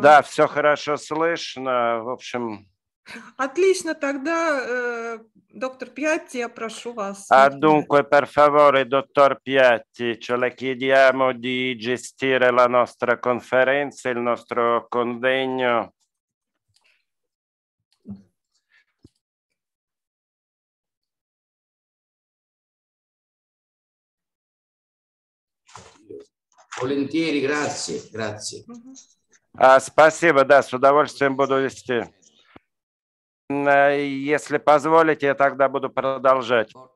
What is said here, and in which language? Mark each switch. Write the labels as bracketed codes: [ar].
[ru] Да, все хорошо слышно, в общем... Отлично, тогда доктор Пьятти, я прошу вас. [it] Dunque, per favore, dottor Pjatti, ce la chiediamo di gestire la nostra conferenza, il nostro convegno. Volentieri, grazie, grazie. [ru] Спасибо, да, с удовольствием буду вести. Если позволите, я тогда буду продолжать.